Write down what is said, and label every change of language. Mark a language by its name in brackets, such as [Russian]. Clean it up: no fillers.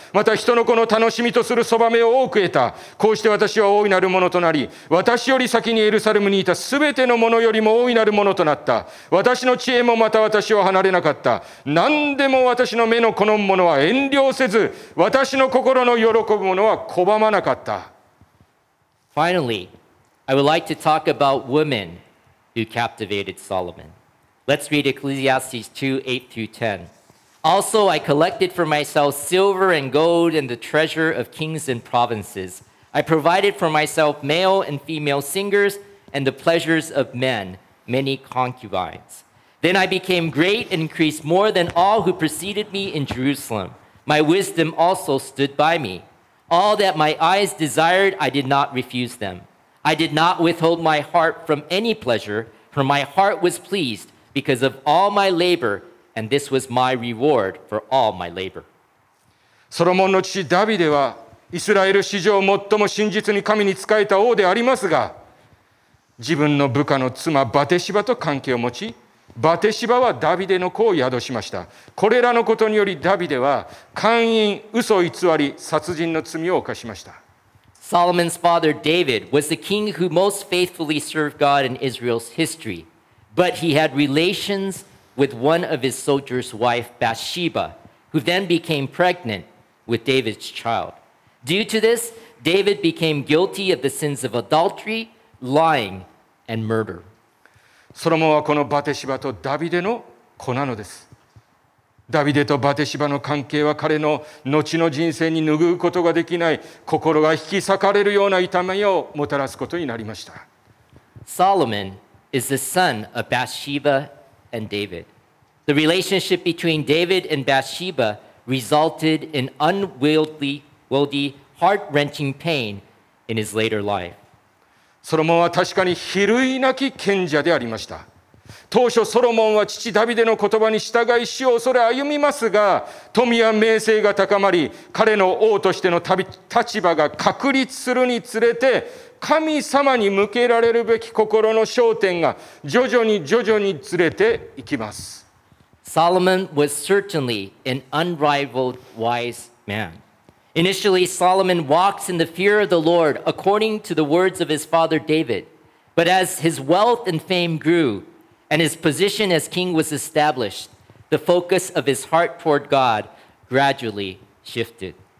[Japanese] また人の子の楽しみとするそばめを多く得た。こうして私は大いなるものとなり、私より先にエルサレムにいたすべてのものよりも大いなるものとなった。私の知恵もまた私を離れなかった。何でも私の目の好むものは遠慮せず、私の心の喜ぶものは拒まなかった。 [English] Finally, I would like to talk about women who captivated Solomon. Let's read Ecclesiastes 2:8-10. Also, I collected for myself silver and gold and the treasure of kings and provinces. I provided for myself male and female singers and the pleasures of men, many concubines. Then I became great and increased more than all who preceded me in Jerusalem. My wisdom also stood by me. All that my eyes desired, I did not refuse them. I did not withhold my heart from any pleasure, for my heart was pleased. Because of all my labor, and this was my reward for all my labor. [Japanese] ソロモンの父ダビデはイスラエル史上最も真実に神に仕えた王でありますが、自分の部下の妻バテシバと関係を持ち、バテシバはダビデの子を宿しました。これらのことによりダビデは姦淫、嘘偽り、殺人の罪を犯しました。 [English] Solomon's father David was the king who most faithfully served God in Israel's historyBut he had relations with one of his soldiers' wife, Bathsheba, who then became pregnant with David's child. Due to this, David became guilty of the sins of adultery, lying, and murder. [Japanese] ソロモンはこのバテシバとダビデの子なのです。ダビデとバテシバの関係は彼の後の人生に拭うことができない、心が引き裂かれるような痛みをもたらすことになりました。 [English] Solomon. Is the son of Bathsheba and David. The relationship between David and Bathsheba resulted in unwieldy, heart-wrenching pain in his later life. [Japanese] ソロモンは確かに比類なき賢者でありました。当初ソロモンは父ダビデの言葉に従い死を恐れ歩みますが、富や名声が高まり、彼の王としての立場が確立するにつれて、神様に向けられるべき心の焦点が徐々に徐々にずれていきます。 [English] Solomon was certainly an unrivaled wise man. Initially, Solomon walks in the fear of the Lord according to the words of his father David. But as his wealth and fame grew, and his position as king was established, the focus of his heart toward God gradually shifted.